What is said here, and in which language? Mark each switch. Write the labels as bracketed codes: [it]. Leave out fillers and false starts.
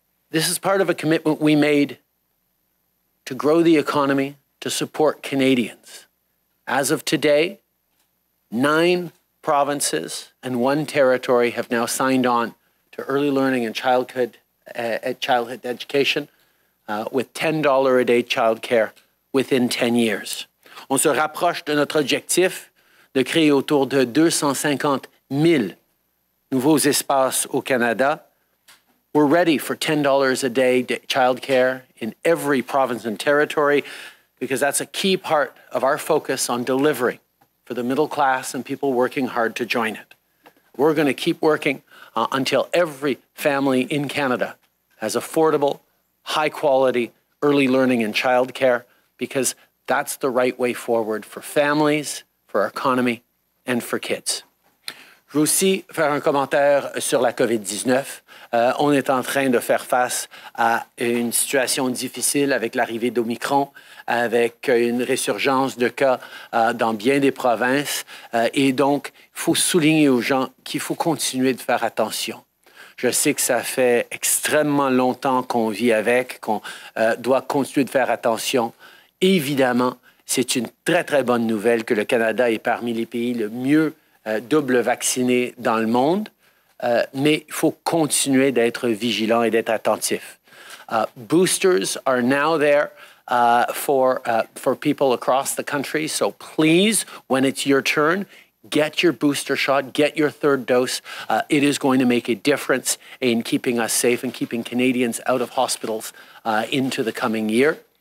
[en] This is part of a commitment we made to grow the economy, to support Canadians. As of today, 9 provinces and 1 territory have now signed on to early learning and childhood education with $10 a day child care within 10 years. [fr] On se rapproche de notre objectif de créer autour de 250 000 nouveaux espaces au Canada. [en] We're ready for $10 a day child care in every province and territory because that's a key part of our focus on delivering for the middle class and people working hard to join it. We're going to keep working until every family in Canada has affordable, high-quality early learning and child care because that's the right way forward for families, for our economy, and for kids. [fr] Je veux aussi faire un commentaire sur la COVID-19. On est en train de faire face à une situation difficile avec l'arrivée d'Omicron, avec une résurgence de cas dans bien des provinces. Et donc, il faut souligner aux gens qu'il faut continuer de faire attention. Je sais que ça fait extrêmement longtemps qu'on vit avec, qu'on doit continuer de faire attention. Évidemment, c'est une très, très bonne nouvelle que le Canada est parmi les pays le mieux double vacciné dans le monde, mais il faut continuer d'être vigilant et d'être attentif. [en] Boosters are now there for people across the country, so please, when it's your turn, get your booster shot, get your third dose. It is going to make a difference in keeping us safe and keeping Canadians out of hospitals into the coming year.